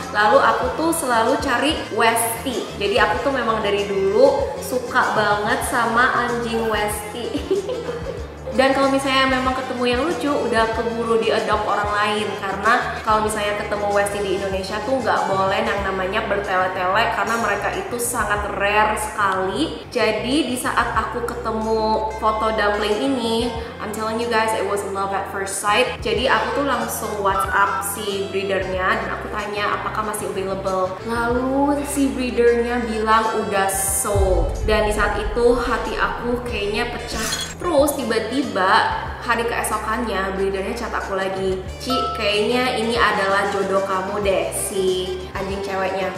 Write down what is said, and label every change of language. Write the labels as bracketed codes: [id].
[id] Lalu aku tuh selalu cari Westie. Jadi aku tuh memang dari dulu suka banget sama anjing Westie. Dan kalau misalnya memang ketemu yang lucu, udah keburu diadopt orang lain. Karena kalau misalnya ketemu Westie di Indonesia tuh nggak boleh yang namanya bertele-tele, karena mereka itu sangat rare sekali. Jadi di saat aku ketemu foto dumpling ini, [en] I'm telling you guys, it was love at first sight. [id] Jadi aku tuh langsung WhatsApp si breedernya dan aku tanya apakah masih available. Lalu si breedernya bilang udah sold. Dan di saat itu hati aku kayaknya pecah. Terus tiba-tiba hari keesokannya breedernya chat aku lagi, Ci, kayaknya ini adalah jodoh kamu deh si anjing ceweknya.